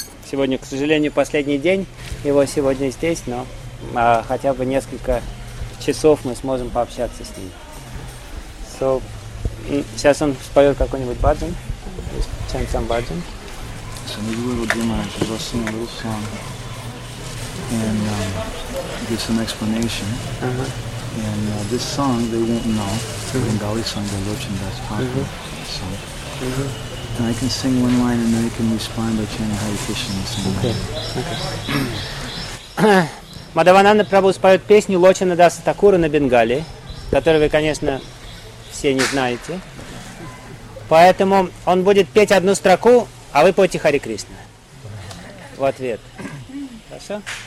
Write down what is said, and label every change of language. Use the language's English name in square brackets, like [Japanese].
[Russian] Сегодня, к сожалению, последний день его сегодня здесь, но хотя бы несколько часов мы сможем пообщаться с ним. So, сейчас он споет какой-нибудь баджан. Чем сам баджан? [English] Садхгуру Димаш is listening to this song and gives some explanation. And this song they won't know. Bengali Sangha Lochan Das Thakur. And I can sing one line and then you can respond by chanting Hare Krishna. [Russian] Мадхавананда Прабху споет песню Лочана Даса Такура на Бенгали, которую вы, конечно, все не знаете. Поэтому он будет петь одну строку, а вы пойте Хари Кришна в ответ. Хорошо?